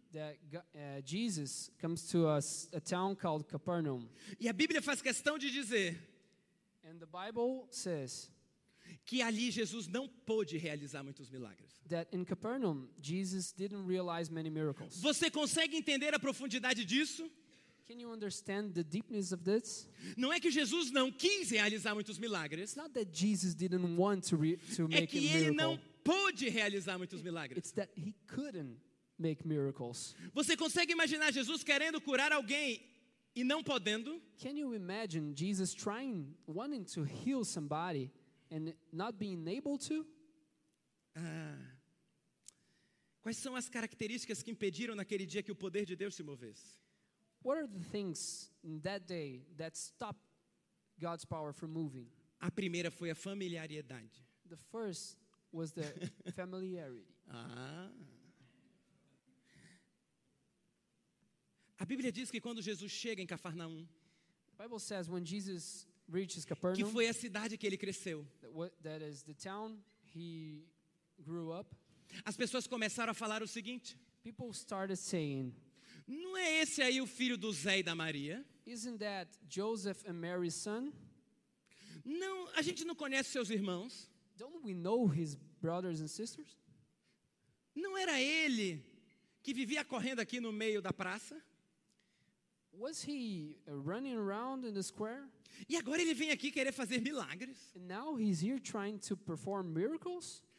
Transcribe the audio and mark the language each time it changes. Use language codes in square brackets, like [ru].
[en] That Jesus comes to a town called Capernaum. [pt] E a Bíblia faz questão de dizer, [en] and the Bible says, [pt] que ali Jesus não pôde realizar muitos milagres. [en] That in Capernaum, Jesus didn't realize many miracles. [pt] Você consegue entender a profundidade disso? [en] Can you understand the deepness of this? [pt] Não é que Jesus não quis realizar muitos milagres. [en] It's not that Jesus didn't want to make a miracle. [pt] É que ele não pôde realizar muitos milagres. [en] It's that he couldn't make miracles. [pt] Você consegue imaginar Jesus querendo curar alguém e não podendo? [en] Can you imagine Jesus wanting to heal somebody and not being able to? [pt] Quais são as características que impediram naquele dia que o poder de Deus se movesse? [en] What are the things in that day that stopped God's power from moving? [pt] A primeira foi a familiaridade. [en] The first was the familiarity. [pt] A Bíblia diz que quando Jesus chega em Cafarnaum, [en] the Bible says when Jesus reaches Capernaum, [pt] que foi a cidade que ele cresceu, [en] that is the town he grew up, [pt] as pessoas começaram a falar o seguinte, [en] people started saying, [pt] não é esse aí o filho do Zé e da Maria? [en] Isn't that Joseph and Mary's son? [pt] Não, a gente não conhece seus irmãos. [en] Don't we know his brothers and sisters? [pt] Não era ele que vivia correndo aqui no meio da praça? [en] Was he running around in the square? [pt] E agora ele vem aqui querer fazer milagres? [en] And now he's here trying to perform miracles?